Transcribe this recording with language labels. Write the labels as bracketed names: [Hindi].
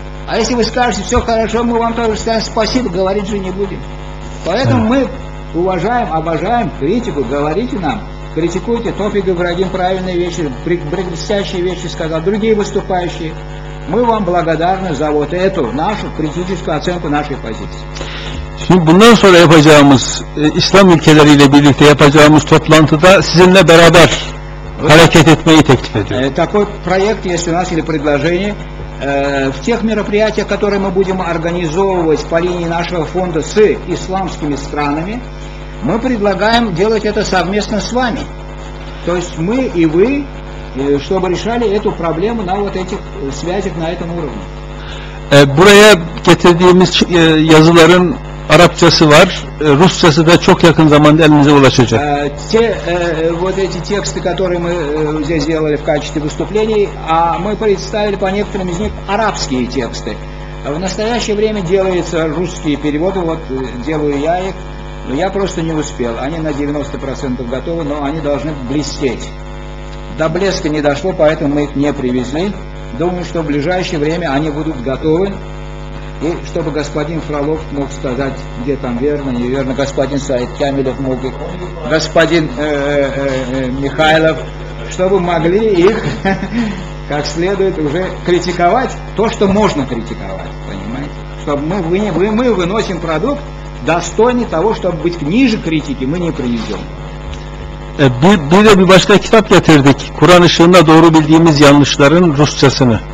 [Russian] А если вы скажете, все хорошо, мы вам тоже скажем спасибо, говорить же не будем. Поэтому мы уважаем, обожаем критику, говорите нам, критикуйте. Тофик Ибрагим правильные вещи, блестящие вещи сказал, другие выступающие. Мы вам благодарны за вот эту нашу критическую оценку нашей позиции. [Turkish] Şimdi bundan sonra yapacağımız, İslam ülkeleriyle birlikte yapacağımız toplantıda sizinle beraber hareket etmeyi teklif ediyorum. [Russian] Такой проект есть у нас или предложение. В тех мероприятиях, которые мы будем организовывать по линии нашего фонда с исламскими странами, мы предлагаем делать это совместно с вами. То есть мы и вы, чтобы решали эту проблему на вот этих связях на этом уровне. [Turkish] Buraya getirdiğimiz yazıların арабчасы var, русчасы да çok yakın zamanda elinize ulaşacak. [Russian] Те вот эти тексты, которые мы здесь сделали в качестве выступлений, а мы представили по некоторым из них арабские тексты. В настоящее время делаются русские переводы, вот делаю я их, но я просто не успел. Они на 90% готовы, но они должны блестеть. До блеска не дошло, поэтому мы их не привезли. Думаю, что в ближайшее время они будут готовы. И чтобы господин Фролов мог сказать, где там верно, неверно, господин Саид Камилев мог, господин Михайлов, чтобы могли их как следует уже критиковать то, что можно критиковать, понимаете? Чтобы мы выносим продукт достойный того, чтобы быть ниже критики, мы не принесем. [Turkish] Bir de bir başka kitap getirdik. Kur'an ışığında doğru bildiğimiz yanlışların Rusçasını.